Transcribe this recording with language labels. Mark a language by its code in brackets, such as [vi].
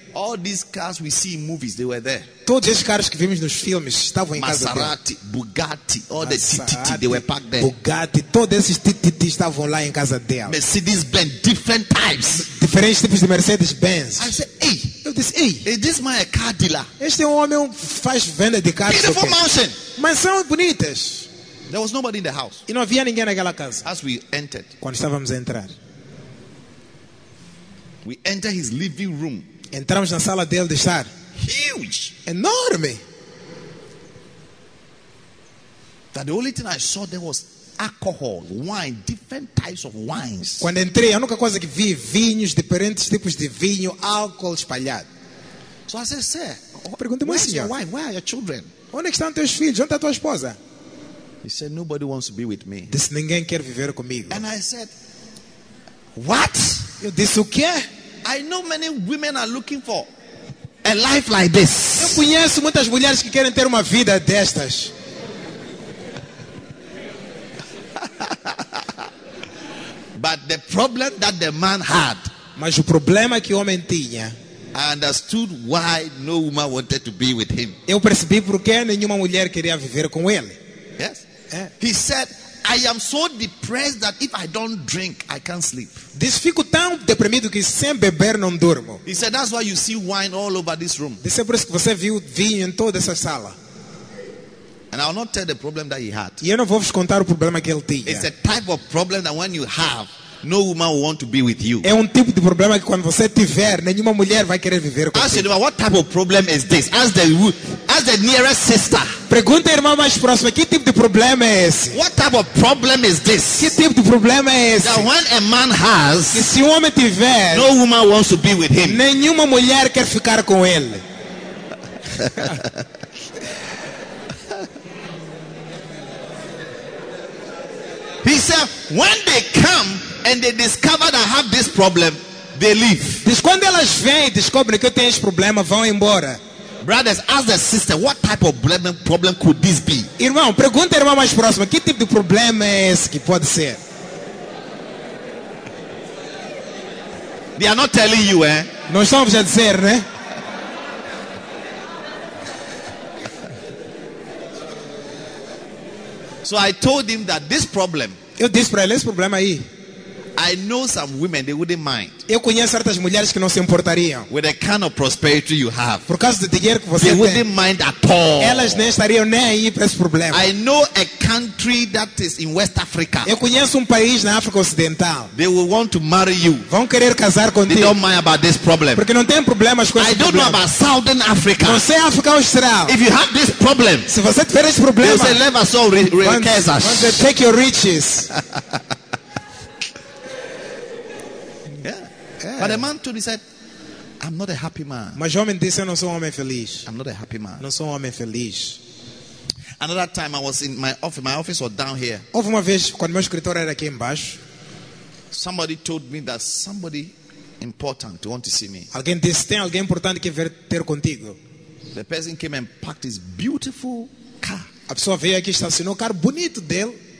[en] All these cars we see in movies, they were there. [pt] Todos esses carros que vimos nos filmes estavam em casa dele. [en] Maserati, Bugatti, all the TTT, they were parked there. [pt] Bugatti, todos esses TTT estavam lá em casa dele. [en] Mercedes Benz, different types. [pt] Diferentes tipos de Mercedes Benz. [en] I said, hey. [pt] Eu disse, hey. [en] Is this my car dealer? [pt] Este é um homem que faz venda de carros. [en] Beautiful mansion. [pt] Mansão bonitas. [en] There was nobody in the house. [pt] E não havia ninguém naquela casa. [en] As we entered. [pt] Quando estávamos a entrar. [en] We enter his living room. [pt] Entramos na sala dele de estar. [en] Huge. [pt] Enorme. [en] That the only thing I saw there was alcohol, wine, different types of wines. [pt] Quando entrei, a única coisa que vi, vinhos, diferentes tipos de vinho, álcool espalhado. [en] So I said, sir, [pt] perguntei-me, [en] where [pt] senhor, [en] is your wife? Where are your children? [pt] Onde estão teus filhos? Onde está tua esposa? [en] He said, nobody wants to be with me. [pt] Disse, ninguém quer viver comigo. [en] And I said, what? [pt] Eu disse, o quê? [en] I know many women are looking for a life like this. [pt] Eu conheço muitas mulheres que querem ter uma vida destas. [en] But the problem that the man had, [pt] mas o problema que o homem tinha, [en] I understood why no woman wanted to be with him. [pt] Eu percebi porque nenhuma mulher queria viver com ele. [en] Yes. [pt] É. [en] He said, I am so depressed that if I don't drink, I can't sleep. [pt] Disse, fico tão deprimido que sem beber não durmo. [en] He said, that's why you see wine all over this room. [pt] Disse, é por isso que você viu vinho em toda essa sala. [en] And I will not tell the problem that he had. [pt] E eu não vou vos contar o problema que ele tinha. [en] It's a type of problem that when you have, no woman will want to be with you. [pt] É tipo de problema que quando você tiver, nenhuma mulher vai querer viver com você. [en] Ask the, what type of problem is this? Ask the nearest sister. [pt] Pergunta a irmã mais próxima, que tipo de problema é esse? [en] What type of problem is this? [pt] Que tipo de problema é esse? [en] That when a man has, [pt] que se homem tiver, [en] no woman wants to be with him. [pt] Nenhuma mulher quer ficar com ele. [en] He said, when they come and they discover that I have this problem, they leave. [pt] Diz, quando elas vêm e descobrem que eu tenho esse problema, vão embora. [en] Brothers, ask the sister, what type of problem could this be? [pt] Irmão, pergunta a irmã mais próxima, que tipo de problema é esse que pode ser? [en] They are not telling you, eh? [pt] Não estão a dizer, né? [en] So I told him that this problem, [pt] eu disse para ele esse problema aí. [en] I know some women, they wouldn't mind. [pt] Eu conheço certas mulheres que não se importariam. [en] With the kind of prosperity you have, [pt] por causa do dinheiro que você tem, [en] wouldn't mind at all. [pt] Elas nem estariam nem aí para esse problema. [en] I know a country that is in West Africa. [pt] Eu conheço país na África Ocidental. [en] They will want to marry you. [pt] Vão querer casar contigo. [en] They don't mind about this problem. [pt] Porque não tem problemas com esse [en] I don't [pt] problema. [en] Know about Southern Africa. [pt] Não sei África Austral. [en] If you have this problem, [pt] se você tiver esse problema, [en] they will say, leave us all riches. Take your riches. Yeah. But the man told me, he said, I'm not a happy man. [pt] Mas o homem disse, eu não sou um homem feliz. [en] I'm not a happy man. [pt] Não sou um homem feliz. [en] Another time I was in my office. My office was down here. [pt] Houve uma vez quando meu escritório era aqui embaixo. [en] Somebody told me that somebody important want to see me. [pt] Alguém disse, tem alguém importante que quer ter contigo. [en] The person came and parked his beautiful car. [pt] A pessoa veio aqui e estacionou um carro bonito dele.